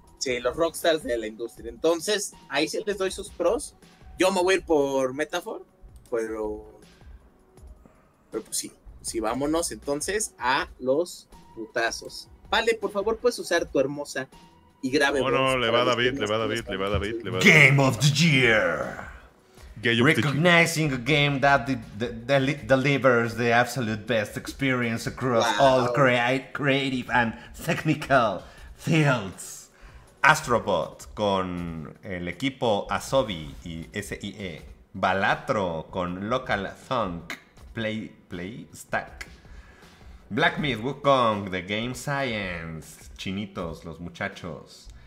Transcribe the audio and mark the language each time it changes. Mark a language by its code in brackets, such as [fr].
[es] Sí, los rockstars de la industria. Entonces, ahí sí les doy sus pros. Yo me voy a ir por Metaphor, pero pues sí, sí, vámonos entonces a los putazos. Vale, por favor, puedes usar tu hermosa y grave voz. Bueno, le va David. [en] Game of the Year. Recognizing a game that delivers the absolute best experience across all creative and technical fields. [es] Astrobot con el equipo Asobi y SIE. Balatro con Local Thunk Play Stack. Black Myth Wukong de Game Science. Chinitos, los muchachos.